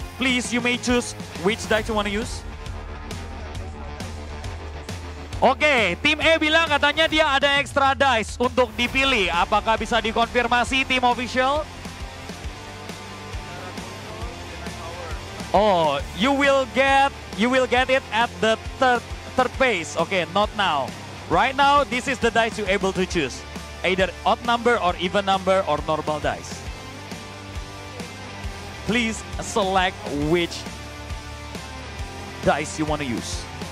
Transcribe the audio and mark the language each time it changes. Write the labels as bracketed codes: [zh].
[en] Please, you may choose which dice you want to use. [id] Oke, Tim E bilang katanya dia ada extra dice untuk dipilih. Apakah bisa dikonfirmasi tim official? [en] Oh, you will get it at the third phase. Oke, not now. Right now, this is the dice you able to choose. Either odd number or even number or normal dice. Please select which dice you want to use.